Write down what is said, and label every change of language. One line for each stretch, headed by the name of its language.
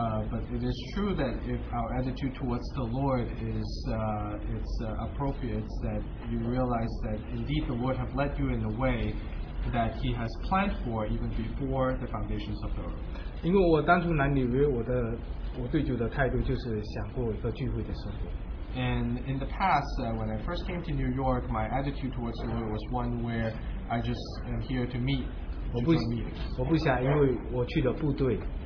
English: But it is true that if our attitude towards the Lord is appropriate, that you realize that indeed the Lord have led you in a way that He has planned for even before the foundations of the earth.
Chinese: 因为我当初来纽约，我对主的态度就是想过一个聚会的生活。
English: And in the past, when I first came to New York, my attitude towards the Lord was one where I just am here to meet.
Chinese: 我不想因为我去了部队。